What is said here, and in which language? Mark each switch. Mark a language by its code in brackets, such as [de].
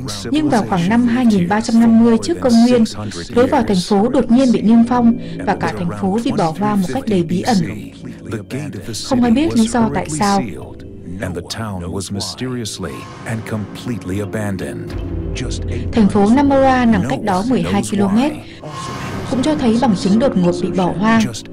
[vi] Nhưng vào khoảng năm 2350 trước công nguyên, lối vào thành phố đột nhiên bị niêm phong và cả thành phố bị bỏ hoang một cách đầy bí ẩn. Không ai biết lý do tại sao. [en] And the town was mysteriously and completely abandoned. [vi] Thành phố Namora nằm cách đó 12 km, cũng cho thấy bằng chứng đột ngột bị bỏ hoang.